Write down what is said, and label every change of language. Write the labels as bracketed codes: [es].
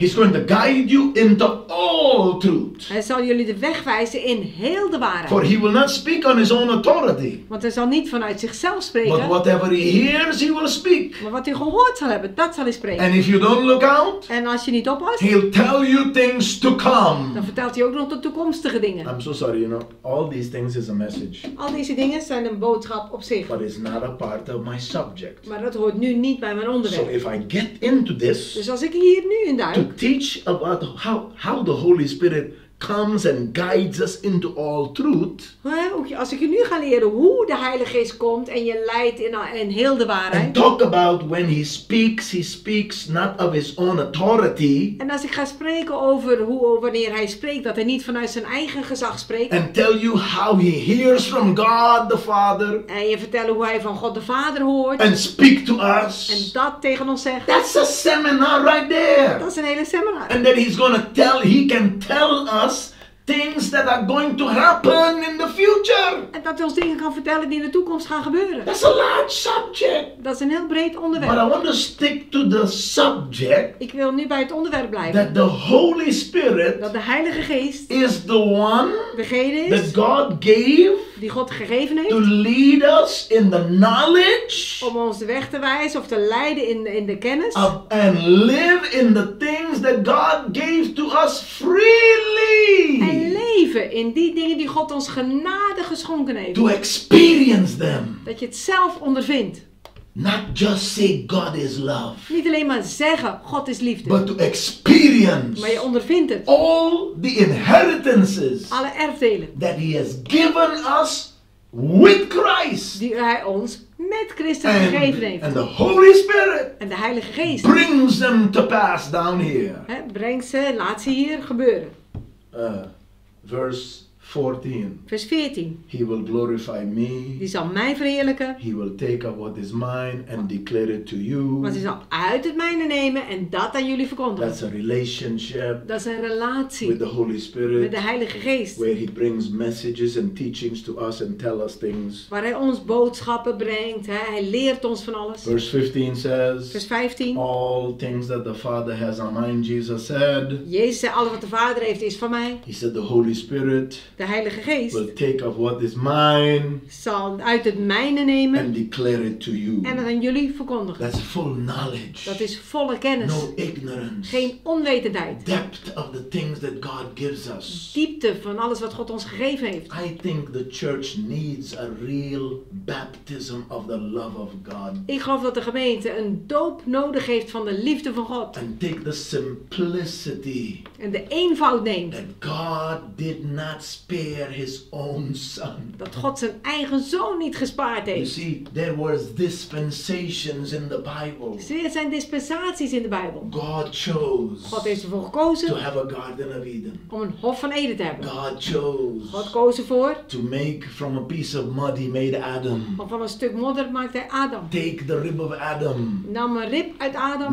[en] He's going to guide you into all truth. [nl] Hij zal jullie de weg wijzen in heel de waarheid. [en] For he will not speak on his own authority. [nl] Want hij zal niet vanuit zichzelf spreken. [en] But whatever he hears, he will speak. [nl] Maar wat hij gehoord zal hebben, dat zal hij spreken. [en] And if you don't look out. [nl] En als je niet oppast. [en] He'll tell you things to come. [nl] Dan vertelt hij ook nog de toekomstige dingen. [en] I'm so sorry, you know, all these things is a message. [nl] Al deze dingen zijn een boodschap op zich. [en] But it's not a part of my subject. [nl] Maar dat hoort nu niet bij mijn onderwerp. [en] So if I get into this. [nl] Dus als ik hier nu in duik. [en] To teach about how the Holy Spirit comes and guides us into all truth. [nl] Hè? Als ik je nu ga leren hoe de Heilige Geest komt en je leidt in heel de waarheid. [en] And talk about when he speaks not of his own authority. [nl] En als ik ga spreken over hoe wanneer hij spreekt, dat hij niet vanuit zijn eigen gezag spreekt. [en] And tell you how he hears from God the Father. [nl] En je vertellen hoe hij van God de Vader hoort. [en] And speak to us. [nl] En dat tegen ons zegt. [en] That's a seminar right there. [nl] Dat is een hele seminar. [en] And then he can tell us things that are going to happen in the future. [nl] En dat hij ons dingen kan vertellen die in de toekomst gaan gebeuren. [en] That's a large subject. [nl] Dat is een heel breed onderwerp. [en] But I want to stick to the subject. [nl] Ik wil nu bij het onderwerp blijven. [en] That the Holy Spirit. [nl] Dat de Heilige Geest. [en] Is the one. [nl] Degene is. [en] That God gave. [nl] Die God gegeven heeft. [en] To lead us in the knowledge. [nl] Om ons de weg te wijzen of te leiden in de kennis. [en] Of, and live in the things that God gave to us freely. [nl] En leven in die dingen die God ons genade geschonken heeft. [en] To experience them. [nl] Dat je het zelf ondervindt. [en] Not just say God is love. [nl] Niet alleen maar zeggen God is liefde. [en] But to experience. [nl] Maar je ondervindt het. [en] All the inheritances. [nl] Alle erfdelen. [en] That he has given us with Christ. [nl] Die hij ons met Christus gegeven heeft. [en] And the Holy Spirit. [nl] En de Heilige Geest. [en] Brings them to pass down here. [nl] He, brengt ze, laat ze hier gebeuren. [en] Verse 14. He will glorify me. [nl] Die zal mij verheerlijken. [en] He will take up what is mine and declare it to you. [nl] Want hij zal uit het mijne nemen en dat aan jullie verkondigen. [en] That's a relationship. [nl] Dat is een relatie. [en] With the Holy Spirit. [nl] Met de Heilige Geest. [en] Where he brings messages and teachings to us and tell us things. [nl] Waar hij ons boodschappen brengt, hè? Hij leert ons van alles. [en] Verse 15 says. [nl] Vers 15. [en] All things that the Father has on mine, Jesus said. [nl] Jezus zei, alles wat de Vader heeft is van mij. [en] He said the Holy Spirit. [nl] De Heilige Geest. [en] Will take of what is mine. [nl] Zal uit het mijne nemen. [en] And declare it to you. [nl] En het aan jullie verkondigen. [en] That's full knowledge. [nl] Dat is volle kennis. [en] No ignorance. [nl] Geen onwetendheid. [en] Depth of the things that God gives us. [nl] Diepte van alles wat God ons gegeven heeft. [en] I think the church needs a real baptism of the love of God. [nl] Ik geloof dat de gemeente een doop nodig heeft van de liefde van God. [en] And take the simplicity. [nl] En de eenvoud neemt. [en] That God did not speak. spare his own son. [nl] Dat God zijn eigen zoon niet gespaard heeft. [en] You see, there were dispensations in the Bible. [nl] See, er zijn dispensaties in de Bijbel. [en] God chose. [nl] God heeft ervoor gekozen. [en] To have a garden of Eden. [nl] Om een hof van Eden te hebben. [en] God chose. [nl] God koos ervoor. [en] To make from a piece of mud he made Adam. [nl] Om van een stuk modder maakte hij Adam. [en] Take the rib of Adam. [nl] Nam een rib uit Adam.